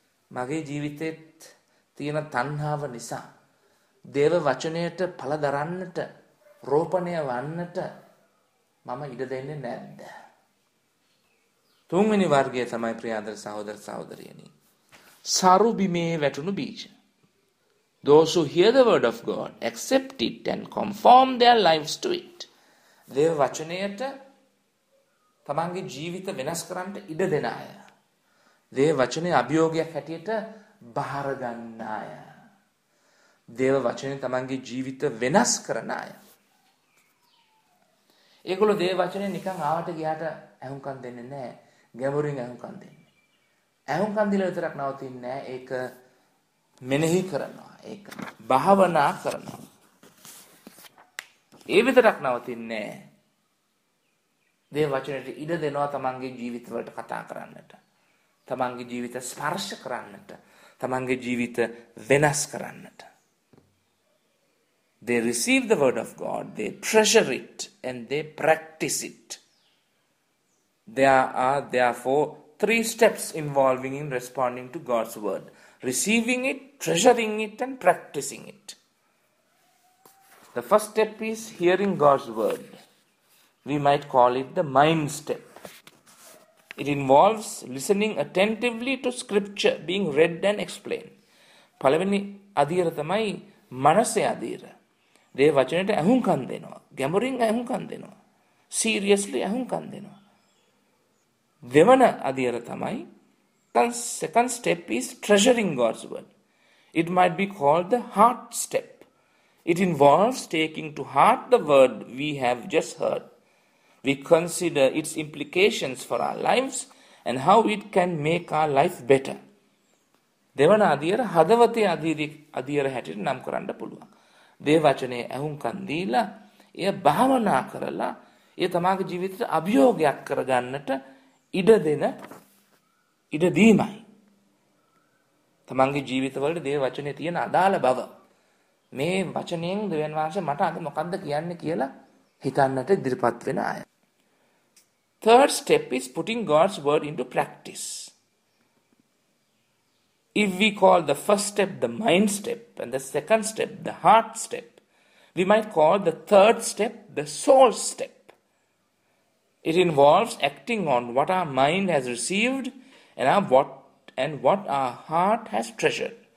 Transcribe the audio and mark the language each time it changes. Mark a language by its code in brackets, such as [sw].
[si] මගේ ජීවිතේ තියෙන තණ්හාව නිසා දේව වචනයට පළ දරන්නට, රෝපණය වන්නට මම ඉඩ දෙන්නේ නැද්ද? තුන්වෙනි වර්ගය තමයි ප්‍රියාදර සහෝදර සහෝදරියනි, සරු බිමේ වැටුණු බීජ. [en] Those who hear the word of God, accept it and conform their lives to it. [si] දේව වචනයට තමන්ගේ ජීවිත වෙනස් කරන්න ඉඩ දෙන අය, දේව වචනේ අභියෝගයක් හැටියට බාර ගන්න අය, දේව වචනේ තමන්ගේ ජීවිත වෙනස් කරන අය, ඒගොල්ලෝ දේව වචනේ නිකන් ආවට ගියාට ඇහුම්කන් දෙන්නේ නැහැ. ගැඹුරින් ඇහුම්කන් දෙන්නේ, ඇහුම්කන් දීලා විතරක් නවතින්නේ නැහැ. ඒක මෙනෙහි කරනවා, ඒක භාවනා කරනවා. ඒ විතරක් නවතින්නේ නැහැ, දේව වචනයට ඉඩ දෙනවා තමන්ගේ ජීවිතවලට කතා කරන්නට, තමන්ගේ ජීවිත ස්පර්ශ කරන්නට, තමන්ගේ ජීවිත වෙනස් කරන්නට. [en] They receive the word of God, they treasure it and they practice it. There are therefore three steps involving in responding to God's word: receiving it, treasuring it and practicing it. The first step is hearing God's word. We might call it the mind step. It involves listening attentively to scripture being read and explained. [si] පළවෙනි අධීර තමයි මනසේ අධීර. දේ වචනයට අහුම්කන් දෙනවා, ගැඹුරින් අහුම්කන් දෙනවා, seriously අහුම්කන් දෙනවා. දෙවන අධීර තමයි, [en] second step is treasuring God's word. It might be called the heart step. It involves taking to heart the word we have just heard. We consider its implications for our lives and how it can make our life better. [si] දෙවන අධීර හදවතේ අධීර හැටියට නම් කරන්න පුළුවන්. දේ වචනේ ඇහුම්කන් දීලා එය භාවනා කරලා එය තමාගේ ජීවිතයට අභියෝගයක් කරගන්නට ඉඩ දෙන ඉඩ දීමයි. තමාගේ ජීවිතවලට දේ වචනේ තියෙන අදාළ බව, මේ වචනයෙන් දෙවන වාසේ මට අද මොකද්ද කියන්නේ කියලා හිතන්නට ඉදිරිපත් වෙන අය. [en] Third step is putting God's word into practice. If we call the first step the mind step and the second step the heart step, we might call the third step the soul step. It involves acting on what our mind has received and what our heart has treasured.